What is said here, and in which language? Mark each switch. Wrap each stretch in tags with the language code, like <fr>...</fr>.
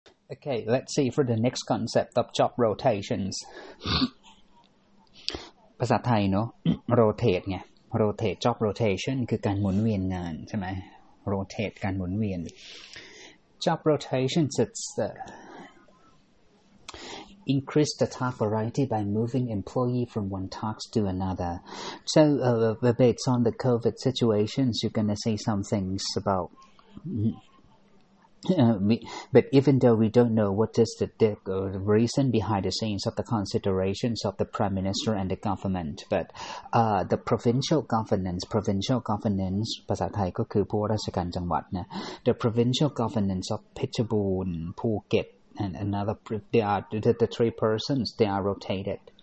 <en>Okay, let's see for the next concept of job rotations.</en> <th>ภาษาไทยเนาะ</th> <en>rotate</en> <th>ไง</th> <en>rotate job rotation</en> <th>คือการหมุนเวียนงานใช่ไหม</th> <en>rotate</en> <th>การหมุนเวียน</th> <en>job rotations it's increase the task variety by moving employee from one task to another. So based on the COVID situations, you're gonna say some things about. But even though we don't know what is the reason behind the scenes of the considerations of the Prime Minister and the government, but the provincial governance,</en> <th>ภาษาไทยก็คือผู้ราชการจังหวัดนะ</th> <en>the provincial governance of Pichaboon, Phuket, and another, they are the three persons, they are rotated.</en>